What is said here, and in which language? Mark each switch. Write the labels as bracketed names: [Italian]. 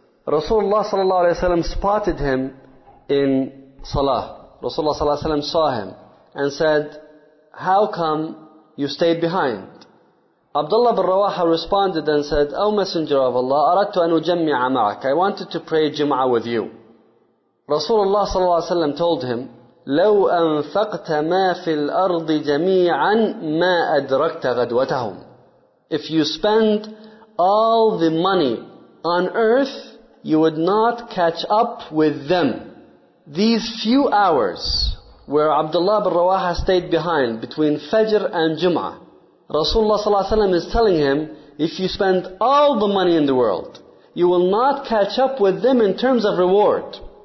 [English] Rasulullah sallallahu alaihi wasallam spotted him in salah. Rasulullah sallallahu alaihi wasallam saw him and said, "How come you stayed behind?" Abdullah bin Rawaha responded and said, "O Messenger of Allah, [Arabic] أردت أن أجمع معك. [English] I wanted to pray Jum'ah with you." [Arabic] Rasulullah sallallahu alaihi wasallam [English] told him, [Arabic] "لو أنفقت ما في الأرض جميعا ما أدركت غدوتهم." [English] If you spend all the money on earth, you would not catch up with them. These few hours where Abdullah bin Rawaha stayed behind between Fajr and Jum'ah, Rasulullah sallallahu alaihi wasallam is telling him, if you spend all the money in the world, you will not catch up with them in terms of reward.